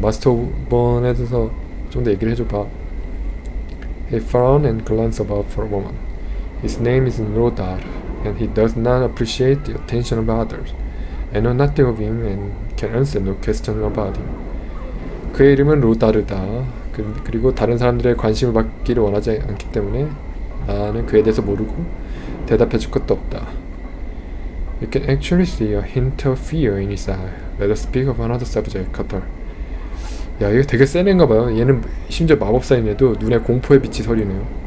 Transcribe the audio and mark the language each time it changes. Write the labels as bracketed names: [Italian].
[Korean] 마스터 오브 본에 대해서 좀더 얘기를 해줘봐. [English] He frowned and glanced about for a moment. His name is Rodar. And he does not appreciate the attention of others. I know nothing of him and can answer no question about him. [Korean] 그의 이름은 로다르다. 그리고 다른 사람들의 관심을 받기를 원하지 않기 때문에 나는 그에 대해서 모르고 대답해 줄 것도 없다. [English] You can actually see a hint of fear in his eye. Let us speak of another subject, Cutter. [Korean] 야, 이거 되게 센 애인가 봐요. 얘는 심지어 마법사인데도 눈에 공포의 빛이 서리네요.